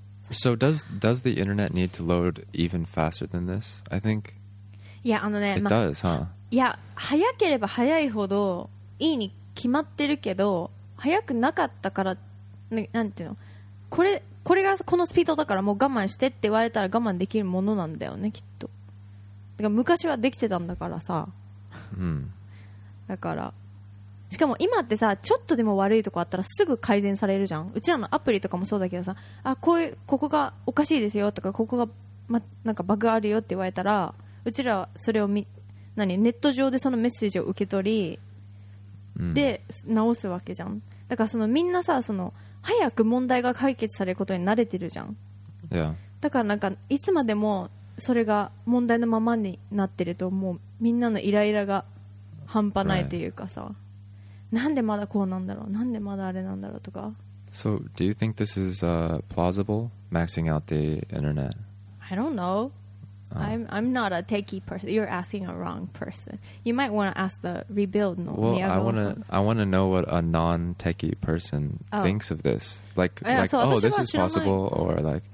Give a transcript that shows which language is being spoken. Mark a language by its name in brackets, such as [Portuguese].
[English] so does the internet need to load even faster than this? I think [Japanese] yeah あのね [English] it、まあ、does huh? [Japanese] いや早ければ早いほどいいに決まってるけど、早くなかったから なんていうの、これがこのスピードだからもう我慢してって言われたら我慢できるものなんだよねきっと、だから昔はできてたんだからさ、うん、だからしかも今ってさちょっとでも悪いとこあったらすぐ改善されるじゃん、うちらのアプリとかもそうだけどさ、あ こ, ういうここがおかしいですよとかここが、ま、なんかバグあるよって言われたらうちらはそれを何ネット上でそのメッセージを受け取り、うん、で直すわけじゃん、だからそのみんなさその早く問題が解決されることに慣れてるじゃん、 [English] yeah. [Japanese] だからなんかいつまでもそれが問題のままになってるともうみんなのイライラが半端ないというかさ、right. なんでまだこうなんだろう、なんでまだあれなんだろうとか、 [English] So do you think this is plausible maxing out the internet? I don't know、I'm not a techie person. You're asking a wrong person. You might want to ask the rebuild. Well, I want to know what a non-techie person、oh. thinks of this. Like oh, this is possible, or like.